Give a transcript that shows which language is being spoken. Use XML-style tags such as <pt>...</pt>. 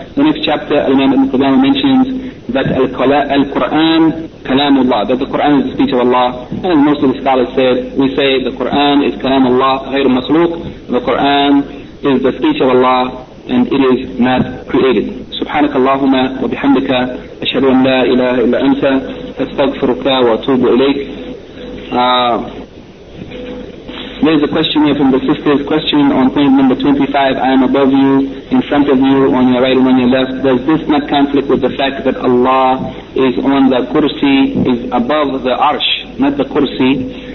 <en>The next chapter, Imam Ibn Qudamah mentions that Al-Qur'an Kalamullah, that the Qur'an is the speech of Allah. And most of the scholars said, we say the Qur'an is Kalamullah,</en> <ar>غير مخلوق.</ar> <en>The Qur'an is the speech of Allah, and it is not created.</en> <ar>سبحانك اللهم وبحمدك أشهد أن لا إله إلا أنت أستغفرك وأتوب إليك.</ar> <en>There is a question here from the sisters. Question on point number 25. I am above you, in front of you, on your right and on your left. Does this not conflict with the fact that Allah is on the kursi, is above the arsh, not the kursi?</en>